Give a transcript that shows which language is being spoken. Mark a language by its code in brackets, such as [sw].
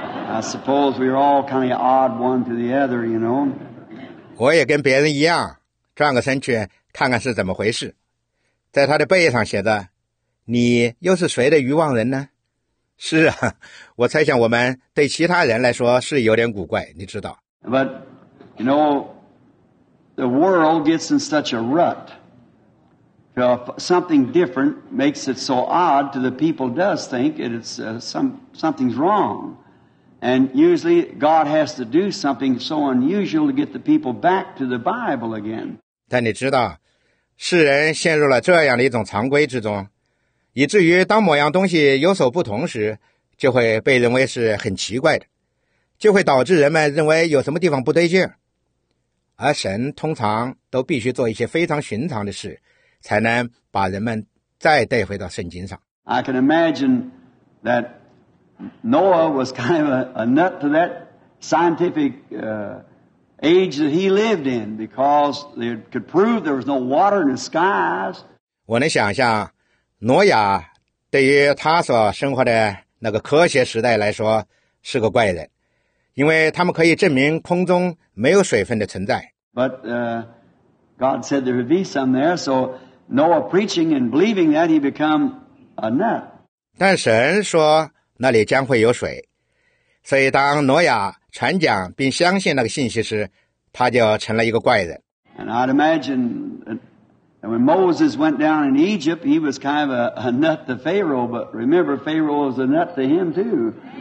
[en] I suppose we're all kind of odd one to the other, you know. [zh] 我也跟别人一样，转个身去看看是怎么回事。在他的背上写着，你又是谁的愚妄人呢？是啊，我猜想我们对其他人来说是有点古怪，你知道。 [en] But, you know, the world gets in such a rut. Something different makes it so odd to the people does think it's something's wrong. And usually God has to do something so unusual to get the people back to the Bible again. [zh] 但你知道，世人陷入了这样的一种常规之中。以至于当某样东西有所不同时，就会被认为是很奇怪的，就会导致人们认为有什么地方不对劲。而神通常都必须做一些非常寻常的事，才能把人们再带回到圣经上。 [en] I can imagine that Noah was kind of a nut to that scientific age that he lived in, because they could prove there was no water in the skies. [zh] 我能想象挪亚对于他所生活的那个科学时代来说是个怪人，因为他们可以证明空中没有水分的存在。 [en] But God said there would be some there, so Noah preaching and believing that he became a nut. [zh] 但神说那里将会有水，所以当挪亚传讲并相信那个信息时，他就成了一个怪人。 [en] And I'd imagine. And when Moses went down in Egypt, he was kind of a nut to Pharaoh, but remember, Pharaoh was a nut to him too.